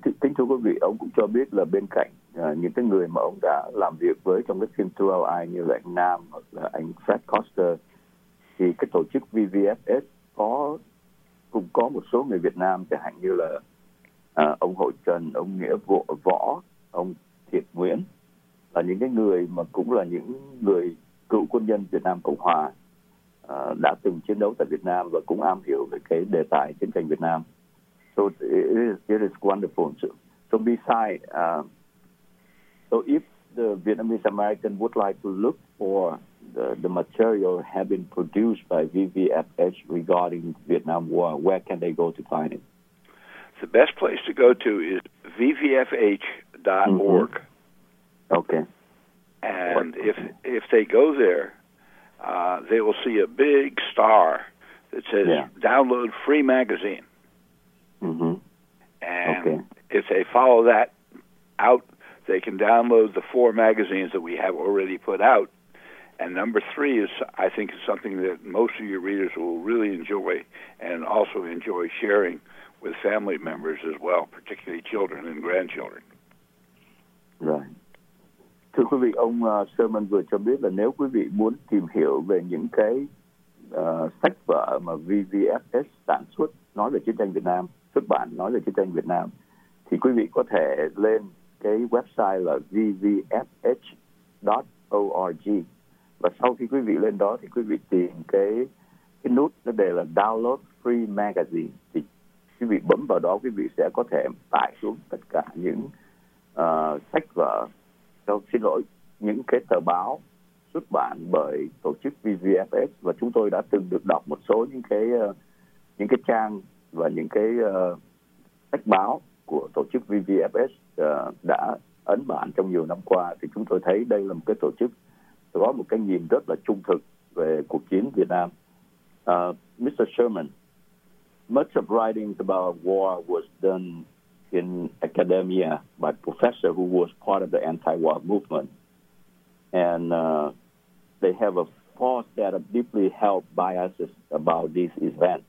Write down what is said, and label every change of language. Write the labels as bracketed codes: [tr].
[vi] Kính thưa quý vị, ông cũng cho biết là bên cạnh những cái người mà ông đã làm việc với trong cái phim True Our Eye như là anh Nam hoặc là anh Fred Koster, thì cái tổ chức VVFS cũng có một số người Việt Nam, chẳng hạn như là ông Hội Trần, ông Nghĩa Võ, ông Thiệt Nguyễn, là những cái người mà cũng là những người cựu quân nhân Việt Nam Cộng Hòa đã từng chiến đấu tại Việt Nam và cũng am hiểu về cái đề tài chiến tranh Việt Nam. [en] So it is wonderful. So besides, so if the Vietnamese American would like to look for the material have been produced by VVFH regarding Vietnam War, where can they go to find it? The best place to go to is vvfh.org. Mm-hmm. Okay. And if they go there, they will see a big star that says, download free magazine. Mm-hmm. And if they follow that out, they can download the four magazines that we have already put out. And number three is, I think, is something that most of your readers will really enjoy and also enjoy sharing with family members as well, particularly children and grandchildren. Right. [vi] Thưa quý vị, ông Sherman vừa cho biết là nếu quý vị muốn tìm hiểu về những cái sách vở mà VVFS sản xuất, nói về chiến tranh Việt Nam, xuất bản nói về chiến tranh Việt Nam, thì quý vị có thể lên cái website là vvfh.org. Và sau khi quý vị lên đó thì quý vị tìm cái nút nó đề là Download Free Magazine. Thì quý vị bấm vào đó, quý vị sẽ có thể tải xuống tất cả những sách vở, xin lỗi, những cái tờ báo xuất bản bởi tổ chức VVFS. Và chúng tôi đã từng được đọc một số những cái trang và những cái sách báo của tổ chức VVFS đã ấn bản trong nhiều năm qua. Thì chúng tôi thấy đây là một cái tổ chức có một cái nhìn rất là trung thực về cuộc chiến Việt Nam. [en] Mr. Sherman, much of writing about war was done in academia by professor who was part of the anti-war movement. And they have a false set of deeply held biases about this event.